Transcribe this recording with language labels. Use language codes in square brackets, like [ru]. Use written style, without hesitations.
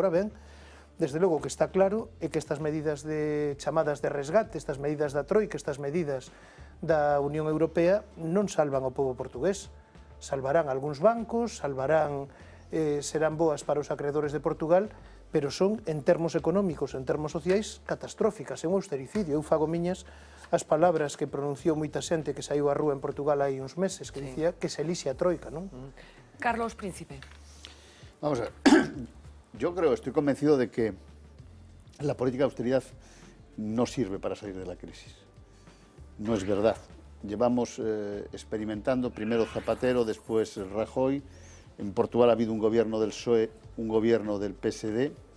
[gl] Agora ben, desde logo que está claro é que estas medidas de chamadas de resgate, estas medidas da Troika, estas medidas da Unión Europea non salvan o povo portugués. Salvarán algúns bancos, salvarán, serán boas para os acreedores de Portugal, pero son, en termos económicos, en termos sociais, catastróficas, é un austericidio. Eu fago miñas as palabras que pronunciou moita xente que saiu á rúa en Portugal hai uns meses, que dicía que se elixe a Troika, non? Carlos Príncipe. [es] Vamos a ver, yo creo, estoy convencido de que la política de austeridad no sirve para salir de la crisis. No es verdad. Llevamos experimentando primero Zapatero, después Rajoy. En Portugal ha habido un gobierno del PSOE, un gobierno del PSD.